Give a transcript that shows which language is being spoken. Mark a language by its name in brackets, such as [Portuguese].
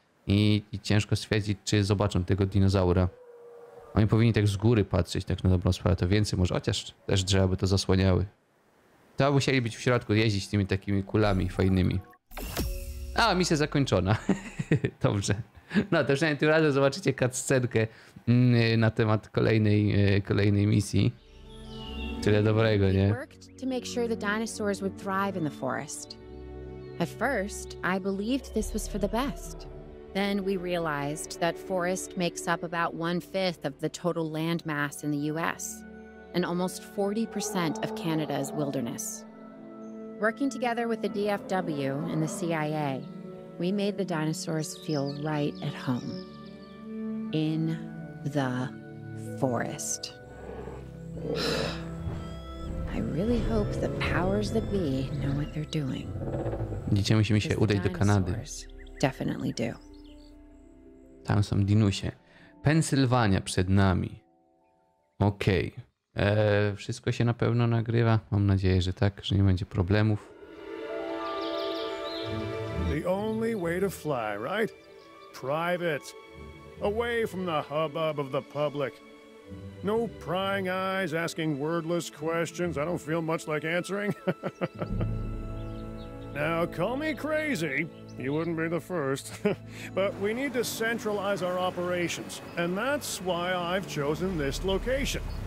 [Polish] I ciężko stwierdzić, czy zobaczą tego dinozaura. Oni powinni tak z góry patrzeć, tak na dobrą sprawę, to więcej może, chociaż też drzewa by to zasłaniały. To musieli być w środku, jeździć tymi takimi kulami fajnymi. A, misja zakończona. Dobrze. No, to przynajmniej tym razem zobaczycie cutscenkę na temat kolejnej misji. Tyle dobrego, nie? [English] ...to make sure the dinosaurs would thrive in the forest. At first, I believed this was for the best. Then we realized that forest makes up about 1/5 of the total land mass in the US and almost 40% of Canada's wilderness. Working together with the DFW and the CIA, we made the dinosaurs feel right at home. In the forest. I really hope the powers that be know what they're doing. [Polish] Dzisiaj musimy się udać do Kanady. [English] Definitely do. [Polish] Tam są dinusie. Pensylwania przed nami. Okej. Wszystko się na pewno nagrywa. Mam nadzieję, że tak, że nie będzie problemów. [English] The only way to fly, right? Private. Away from the hubbub of the public. No prying eyes asking wordless questions. I don't feel much like answering. Now call me crazy. You wouldn't be the first, but we need to centralize our operations, and that's why I've chosen this location.